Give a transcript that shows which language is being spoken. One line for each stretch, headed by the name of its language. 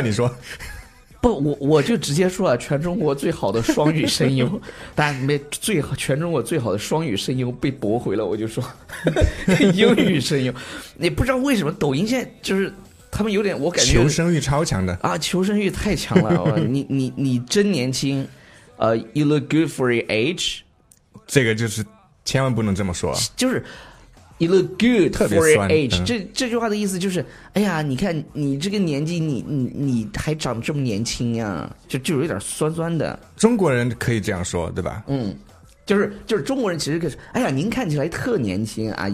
Chinese: 你说？不，我就直接说了，全中国最好的双语声优，但没最好，全中国最好的双语声优被驳回了。我就说英语声优，也不知道为什么抖音现在就是他们有点，我感觉求生欲超强的啊，求生欲太强了。你真年轻，
English: you look good for your age，
Chinese: 这个就是千万不能这么说，
English: 就是。You look good for your age。
Chinese: 这句话的意思就是，哎呀，你看你这个年纪，你还长这么年轻呀，就有点酸酸的。中国人可以这样说，对吧？嗯，就是中国人其实可是，哎呀，您看起来特年轻，阿姨。